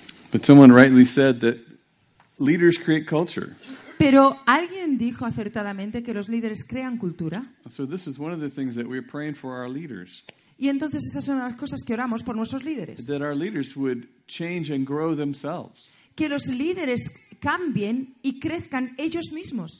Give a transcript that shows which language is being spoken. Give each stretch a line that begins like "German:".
English: But someone rightly said that leaders create culture.
Spanish: Pero alguien dijo acertadamente que los líderes crean cultura.
English: So this is one of the things that we're praying for our leaders.
Spanish: Y entonces esa es una de las cosas que oramos por nuestros líderes.
English: That our leaders would change and grow themselves.
Spanish: Que los líderes cambien y crezcan ellos mismos.